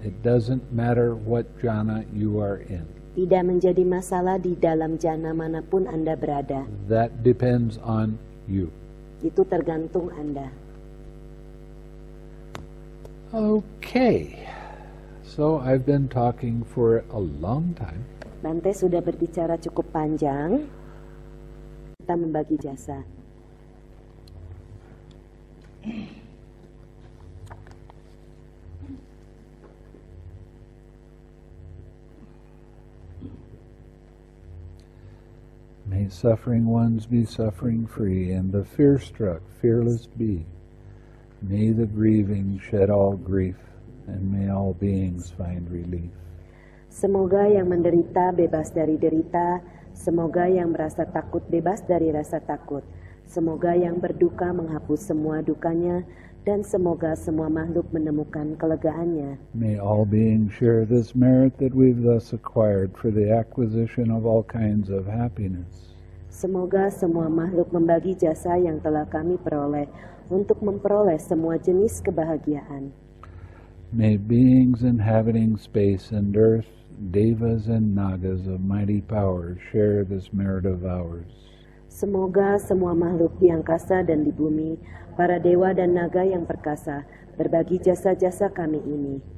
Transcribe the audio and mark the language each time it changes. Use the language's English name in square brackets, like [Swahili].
[English] It doesn't matter what jhana you are in. [Indonesian] Tidak menjadi masalah di dalam jhana manapun Anda berada. [English] That depends on you. [Indonesian] Itu tergantung Anda. [English] Okay. So I've been talking for a long time. [Indonesian] Nanti sudah berbicara cukup panjang. Kita membagi jasa. [English] May suffering ones be suffering free, and the fear-struck fearless be. May the grieving shed all grief, and may all beings find relief. [Indonesian] Semoga yang menderita bebas dari derita, semoga yang merasa takut bebas dari rasa takut, semoga yang berduka menghapus semua dukanya, dan semoga semua makhluk menemukan kelegaannya. [English] May all beings share this merit that we've thus acquired for the acquisition of all kinds of happiness. [Indonesian] Semoga semua makhluk membagi jasa yang telah kami peroleh untuk memperoleh semua jenis kebahagiaan. [English] May beings inhabiting space and earth, devas and nagas of mighty power share this merit of ours. [Indonesian] Semoga semua makhluk di angkasa dan di bumi, para dewa dan naga yang perkasa, berbagi jasa-jasa kami ini.